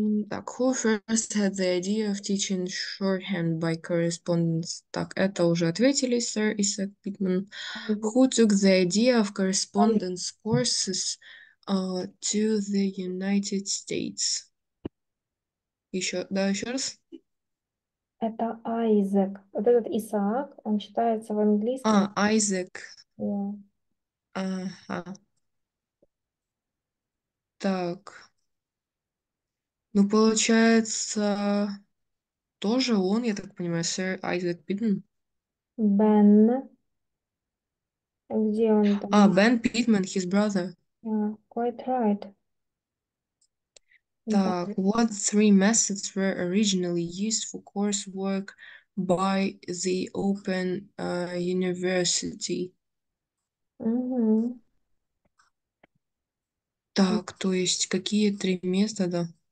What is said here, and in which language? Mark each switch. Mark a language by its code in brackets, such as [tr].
[en] Так, who first had the idea of teaching shorthand by correspondence? [ru] Так, это уже ответили, сэр Исаак Питман. [en] Who took the idea of correspondence courses to the United States? [ru] Еще, да, еще раз. Это Айзек. Вот этот Исаак, он читается в английском. Айзек. [en] Yeah. [ru] Ага. Так. Ну, получается, тоже он, я так понимаю, сэр Айзек Питман. Бен. Где он там? А, Бен Питман, [en] his brother. Yeah, quite right. Так, what three methods were originally used for coursework by the Open University? [ru] Так, то есть какие три метода?